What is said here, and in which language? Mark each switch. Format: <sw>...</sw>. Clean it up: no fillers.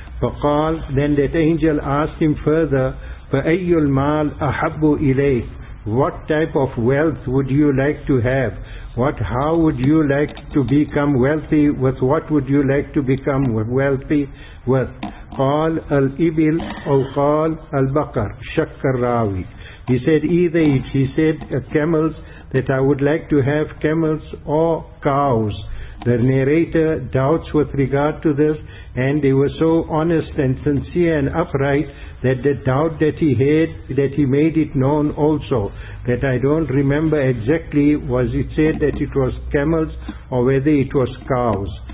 <en>فَقَالْ, then that angel asked him further,</en> <ar>فَأَيُّ الْمَالْ أَحَبُّ إِلَيْكَ,</ar> <en>what type of wealth would you like to have? What? How would you like to become wealthy with? What would you like to become wealthy with?</en> <ar>قال الإبل أو قال البقر شك الراوي.</ar> <en>He said either, he said camels, that I would like to have camels or cows. The narrator doubts with regard to this, and they were so honest and sincere and upright that the doubt that he had, that he made it known also, that I don't remember exactly, was it said that it was camels or whether it was cows.</en>